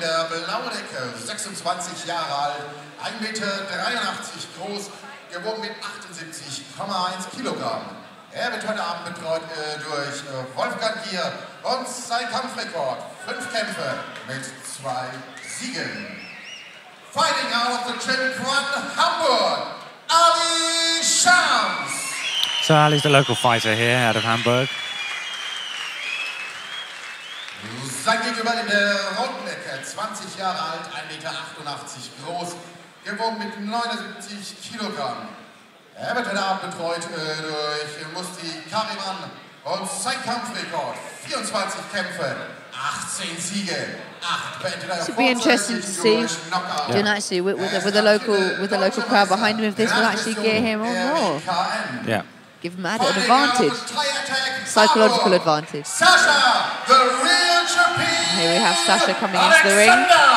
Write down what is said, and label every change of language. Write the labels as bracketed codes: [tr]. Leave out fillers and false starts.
[de] Der blaue Decke, 26 Jahre alt, 1,83 Meter groß, gewogen mit 78,1 Kilogramm. Er wird heute Abend betreut durch Wolfgang Gier und sein Kampfrekord. 5 Kämpfe mit 2 Siegen. [en] Fighting out of the champ from Hamburg, Ali Shams. So Ali's the local fighter here out of Hamburg. [de] Sein Gegenüber in der roten Ecke, 20 Jahre alt, 1,88 Meter groß, gewogen mit 79 Kilogramm. Er wird heute Abend betreut durch Musti Kariman und sein Kampfrekord, 24 Kämpfe, 18 Siege, 8 Bänder. [en] It should be interesting to see, yeah. Actually, with the local crowd behind him, if this will actually gear him on more. Yeah. Give him an advantage, psychological advantage. Sascha, the real champion. Here we have Sascha coming Alexander. Into the ring.